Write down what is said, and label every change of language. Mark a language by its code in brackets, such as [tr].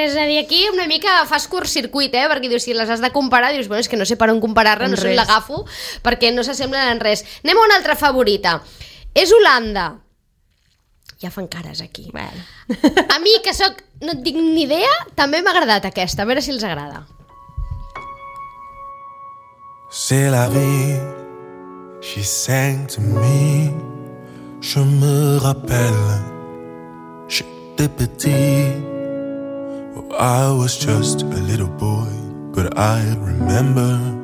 [ca] És a dir, aquí una mica fas curt circuit, perquè dius, si les has de comparar, dius, bueno, és que no sé per on comparar-la, no sé on l'agafo, perquè no s'assemblen en res. Anem a una altra favorita. És Holanda. Ja fan cares aquí. Bueno. A mi, que sóc, no tinc ni idea, també m'ha agradat aquesta. A veure si els agrada. [fr] C'est la vie, [en] she sang to me. [fr] Je me rappelle, j'étais petit. [en] Oh, I was just a little boy, but I remember.